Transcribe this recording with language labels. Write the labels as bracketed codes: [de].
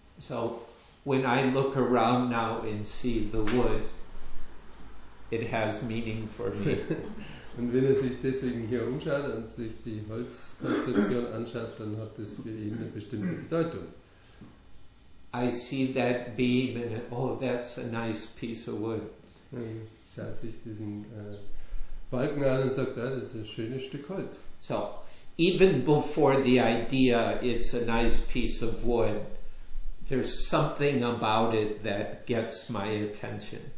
[en] So, when I look around now and see the wood, it has meaning for me. [de] Und wenn er sich deswegen hier umschaut und sich die Holzkonstruktion anschaut, dann hat das für ihn eine bestimmte Bedeutung. [en] I see that beam and that's a nice piece of wood. [de] Und schaut sich diesen Balken an und sagt, das ist ein schönes Stück Holz. [en] So, even before the idea, it's a nice piece of wood, there's something about it that gets my attention.